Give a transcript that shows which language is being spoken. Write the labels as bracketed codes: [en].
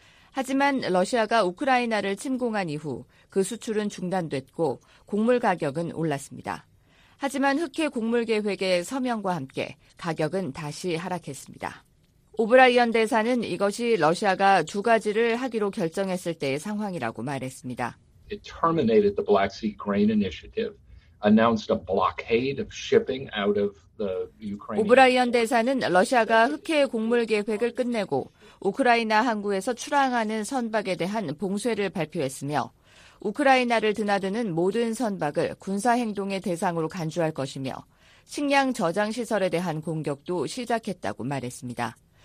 [ko] 하지만 러시아가 우크라이나를 침공한 이후 그 수출은 중단됐고 곡물 가격은 올랐습니다. 하지만 흑해 곡물 계획의 서명과 함께 가격은 다시 하락했습니다. 오브라이언 대사는 이것이 러시아가 두 가지를 하기로 결정했을 때의 상황이라고 말했습니다. [en] It terminated the Black Sea Grain Initiative, announced a blockade of shipping out of the Ukraine. [ko] 오브라이언 대사는 러시아가 흑해 곡물 계획을 끝내고 우크라이나 항구에서 출항하는 선박에 대한 봉쇄를 발표했으며 우크라이나를 드나드는 모든 선박을 군사 행동의 대상으로 간주할 것이며 식량 저장 시설에 대한 공격도 시작했다고 말했습니다.